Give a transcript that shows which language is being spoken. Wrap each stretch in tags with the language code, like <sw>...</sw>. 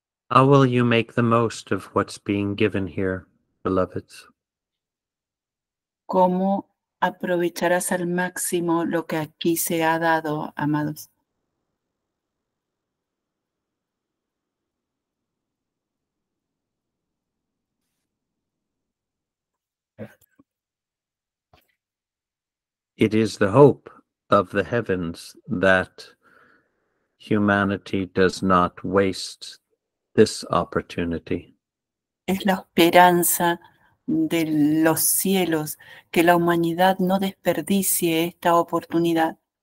<en>How will you make the most of what's being given here, beloveds?</en> <es>¿Cómo aprovecharás al máximo lo que aquí se ha dado, amados?</es> <en>It is the hope of the heavens that humanity does not waste this opportunity.</en> <es>Es la esperanza de los cielos que la humanidad no desperdicie esta oportunidad.</es>